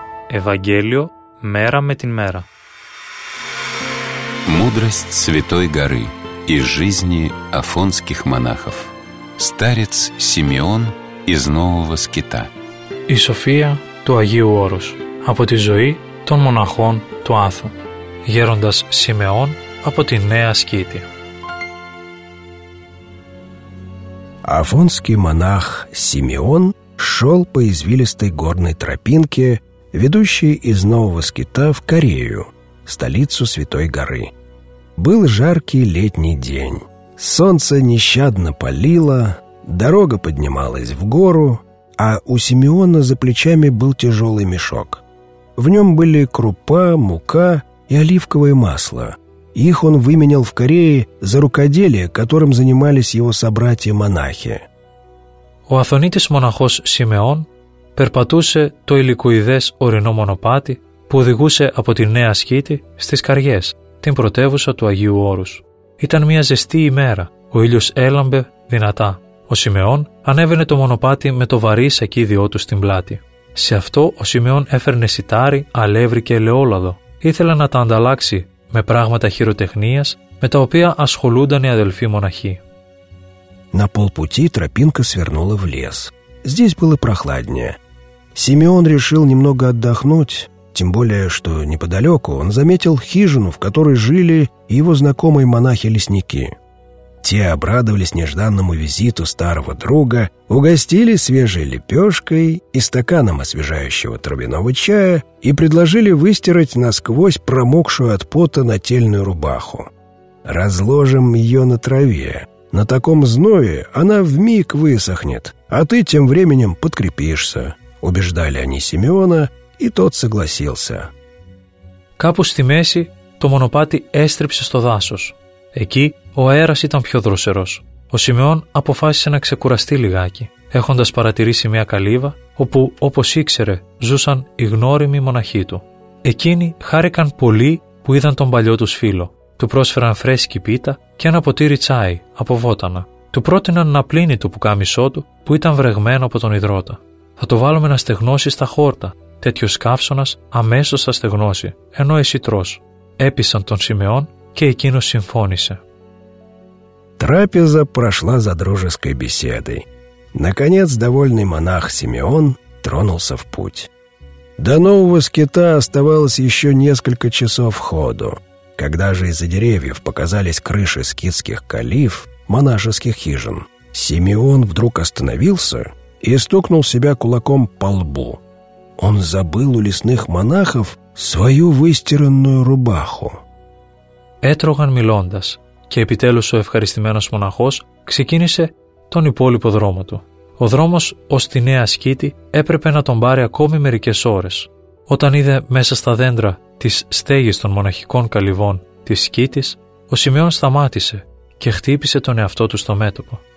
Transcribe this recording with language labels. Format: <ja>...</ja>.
<ru>Евангелие мера με την мера. Мудрость Святой Горы из жизни афонских монахов. Старец Симеон из Нового Скита.</ru> <el>И София του Αγίου Όρους από τη ζωή των μοναχών του Άθου. Γέροντας Σιμεών από τη Νέα Σκήτη.</el> <ru>Афонский монах Симеон шел по извилистой горной тропинке, ведущей из Нового Скита в Корею, столицу Святой Горы. Был жаркий летний день. Солнце нещадно палило, дорога поднималась в гору, а у Симеона за плечами был тяжелый мешок. В нем были крупа, мука и оливковое масло. Их он выменял в Корее за рукоделие, которым занимались его собратья-монахи.</ru> <el>Ο αθωνίτης μοναχός Σιμεών περπατούσε το υλικοειδές ορεινό μονοπάτι που οδηγούσε από τη Νέα Σκήτη στις Καριές, την πρωτεύουσα του Αγίου Όρους. Ήταν μια ζεστή ημέρα, ο ήλιος έλαμπε δυνατά. Ο Σιμεών ανέβαινε το μονοπάτι με το βαρύ σακίδιό του στην πλάτη. Σε αυτό ο Σιμεών έφερνε σιτάρι, αλεύρι και ελαιόλαδο. Ήθελε να τα ανταλλάξει με πράγματα χειροτεχνίας με τα οποία ασχολούνταν οι αδελφοί μοναχοί.</el> <ru>На полпути тропинка свернула в лес. Здесь было прохладнее. Симеон решил немного отдохнуть, тем более, что неподалеку он заметил хижину, в которой жили его знакомые монахи-лесники. Те обрадовались нежданному визиту старого друга, угостили свежей лепешкой и стаканом освежающего травяного чая и предложили выстирать насквозь промокшую от пота нательную рубаху. «Разложим ее на траве». На таком зное она вмиг высохнет, а ты тем временем подкрепишься. Убеждали они Симеона, и тот согласился.</ru> <el>Κάπου στη μέση το μονοπάτι έστριψε στο δάσος. Εκεί ο αέρας ήταν πιο δροσερός. Ο Σιμεών αποφάσισε να ξεκουραστεί λιγάκι, έχοντας παρατηρήσει μια καλύβα, όπου, όπως ήξερε, ζούσαν οι γνώριμοι μοναχοί του. Εκείνοι χάρηκαν πολύ που είδαν τον παλιό τους φίλο. Του πρόσφεραν φρέσκη πίτα και ένα ποτήρι τσάι από βότανα. Του πρότειναν να πλύνει το πουκάμισό του που ήταν βρεγμένο από τον υδρότα. «Θα το βάλουμε να στεγνώσει στα χόρτα. Τέτοιος καύσωνας αμέσως θα στεγνώσει, ενώ εσύ τρως». Έπεισαν τον Σιμεών και εκείνος συμφώνησε.</el> <ru>Τράπεζα прошла за дружеской беседой. Наконец, довольный монах Симеон тронулся в путь. До нового скита оставалось еще несколько часов ходу. Когда же из-за деревьев показались крыши скитских калиф, монашеских хижин, Симеон вдруг остановился и стукнул себя кулаком по лбу. Он забыл у лесных монахов свою выстиранную рубаху. Έτρωγαν μιλώντας και επιτέλους ο ευχαριστημένος μοναχός ξεκίνησε τον υπόλοιπο δρόμο του. Ο δρόμος ως τη Νέα Σκήτη έπρεπε να τον πάρει ακόμη μερικές ώρες. Όταν είδε μέσα στα δέντρα της στέγης των μοναχικών καλυβών της Σκήτης, ο Σιμεών σταμάτησε και χτύπησε τον εαυτό του στο μέτωπο.</ru>